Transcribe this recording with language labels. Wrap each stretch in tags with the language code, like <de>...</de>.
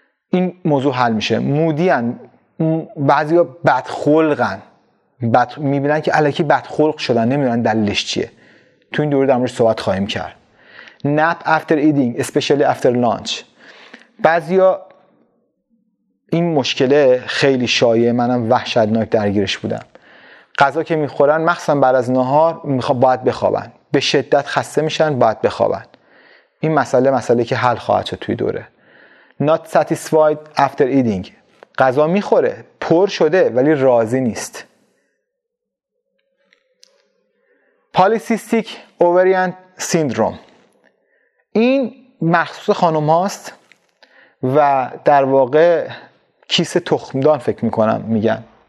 <fa>این موضوع حل میشه. مودیان بعضیا بدخلقن، میبینن که الکی بدخلق شدن، نمیدونن دلیلش چیه. تو این دوره در موردش صحبت خواهیم کرد.</fa> <en>Nap after eating, especially after lunch.</en> <fa>بعضیا این مشکله خیلی شایعه، منم وحشتناک درگیرش بودم. غذا که میخورن، مخصوصا بعد از نهار، باید بخوابن، به شدت خسته میشن، باید بخوابن. این مسئله که حل خواهد شد توی دوره.</fa> <en>Not satisfied after eating.</en> <fa>غذا میخوره، پر شده، ولی راضی نیست.</fa> <en>Polycystic ovarian syndrome.</en> <fa>این مخصوص خانم هاست و در واقع کیسه تخمدان فکر میکنم میگن.</fa>